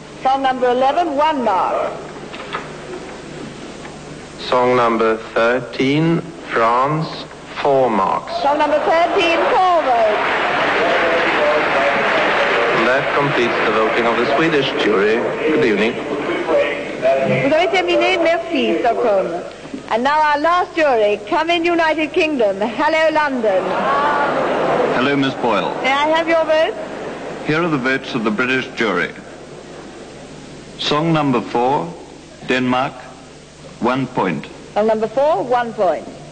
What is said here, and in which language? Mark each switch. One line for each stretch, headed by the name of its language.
English: Song number 11, 1 mark. Song number 13, France, 4 marks. Song number 13, 4 votes. And that completes the voting of the Swedish jury. Good evening.
French: Vous avez terminé, merci, Stockholm.
English: And now our last jury, come in, United Kingdom. Hello, London. Hello, Miss Boyle. May I have your vote? Here are the votes of the British jury. Song number 4, Denmark, 1 point. Song number 4, 1 point.